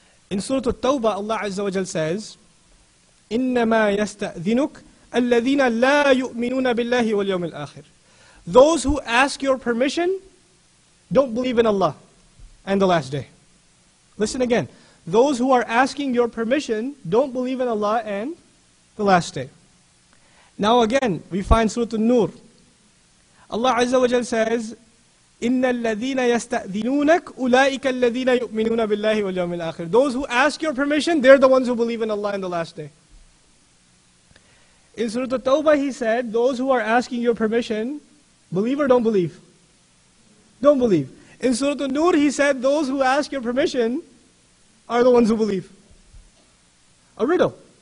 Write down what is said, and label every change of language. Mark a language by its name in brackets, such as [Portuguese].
[English] In Surah At-Tawbah, Allah Azza wa Jal says, [Arabic] إِنَّمَا يَسْتَأْذِنُكَ الَّذِينَ لَا يُؤْمِنُونَ بِاللَّهِ وَالْيَوْمِ الْآخِرِ. [English] Those who ask your permission, don't believe in Allah and the last day. Listen again. Those who are asking your permission, don't believe in Allah and the last day. Now again, we find Surah An-Nur. Allah Azza wa Jal says, [Arabic] إِنَّ الَّذِينَ يَسْتَأْذِنُونَكَ أُولَٰئِكَ الَّذِينَ يُؤْمِنُونَ بِاللَّهِ وَالْيَوْمِ الْآخِرِ. [English] Those who ask your permission, they're the ones who believe in Allah in the last day. In Surah At-Tawbah, he said, those who are asking your permission, believe or don't believe? Don't believe. In Surah An-Nur, he said, those who ask your permission are the ones who believe. A riddle.